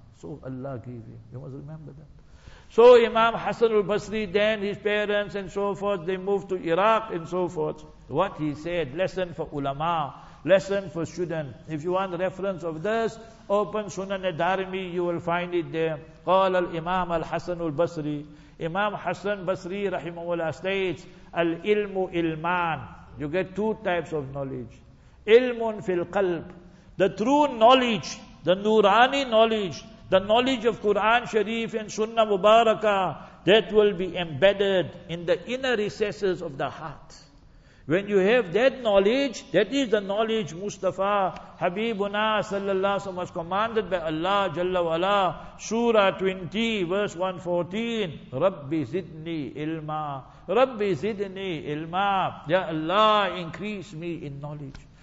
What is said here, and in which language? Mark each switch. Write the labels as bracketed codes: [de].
[en] So Allah gave him, you must remember that. So Imam Hasan al-Basri, then his parents and so forth, they moved to Iraq and so forth. What he said, lesson for ulama, lesson for student. If you want reference of this, open Sunan al-Darimi, you will find it there. [ar] قال الإمام الحسن البصري إمام حسن بصري رحمه الله [en] states [ar] العلم إلمان. [en] You get two types of knowledge. [ar] علم في القلب, [en] the true knowledge, the nurani knowledge, the knowledge of Quran Sharif and Sunnah Mubarakah, that will be embedded in the inner recesses of the heart. When you have that knowledge, that is the knowledge Mustafa, Habibuna sallallahu alaihi wasallam was commanded by Allah Jalla wa Ala, Surah 20, verse 114, Rabbi zidni ilma, Rabbi zidni ilma, Ya Allah, increase me in knowledge.